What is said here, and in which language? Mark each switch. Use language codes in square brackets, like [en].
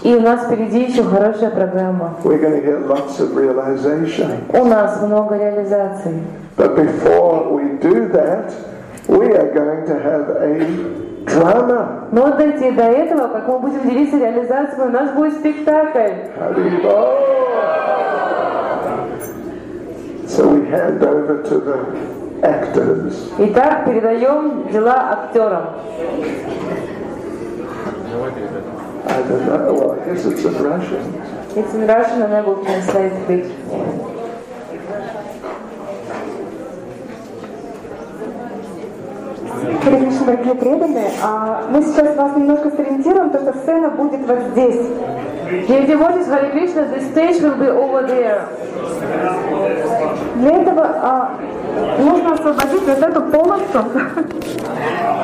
[ru] И у нас впереди еще хорошая программа. [en] We're going to get lots of realization. [ru] У нас много реализаций. [en] But before we do that, we are going to have a drama. [ru] Но дойти до этого, как мы будем делиться реализацией, у нас будет спектакль. Харибо! [en] So we hand over to the actors. [ru] Итак, передаем дела актерам. [en] I don't know. Well, I guess it's in Russian. It's in Russian, and I will translate it. [ru] Конечно, дорогие преданные, мы сейчас вас немножко сориентируем, то что сцена будет вот здесь. [en] Your devotees, Hare Krishna, the stage will be over there. [ru] Для этого нужно освободить вот эту полосу.